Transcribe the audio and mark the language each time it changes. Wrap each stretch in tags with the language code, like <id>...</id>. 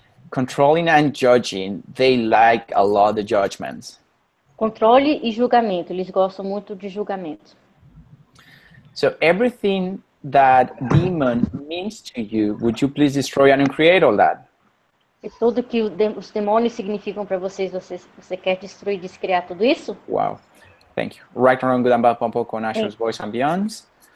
<en>Controlling and judging, they like a lot the judgments.</en> <pt>Controle e julgamento, eles gostam muito de julgamento.</pt> <en>So everything that demon means to you, would you please destroy and uncreate all that?</en> <pt>E tudo que os demônios significam para vocês, você quer destruir e descriar tudo isso?</pt> <en>Wow, thank you. Right and wrong, good and bad, pompo, con ashes, voice and beyonds.</en>